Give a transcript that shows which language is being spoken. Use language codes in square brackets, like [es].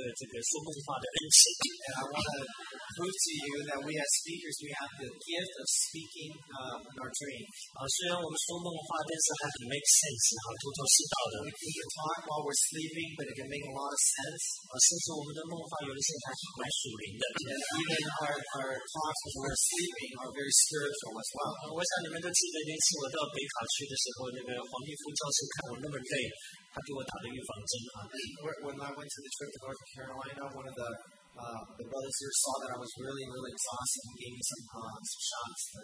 [zh] 我就是想向你们证明，我们传道人有一个这个说梦话的恩赐。 [en] And I want to prove to you that we as speakers, we have the gift of speaking in our dream. [zh] 虽然我们说梦话，但是它很 [en] make sense， [zh] 然后头头是道的。 [en] We can talk while we're sleeping, but it can make a lot of sense. [zh] 甚至我们的梦话有的时候还蛮属灵的。 [en] And even our talks while we're sleeping are very spiritual as well. [zh] 我想你们都记得那次我到北卡去的时候，那个黄立夫教授看我那么累。 [en] When I went to the trip to North Carolina, one of the brothers here saw that I was really, really exhausted and gave me some shots.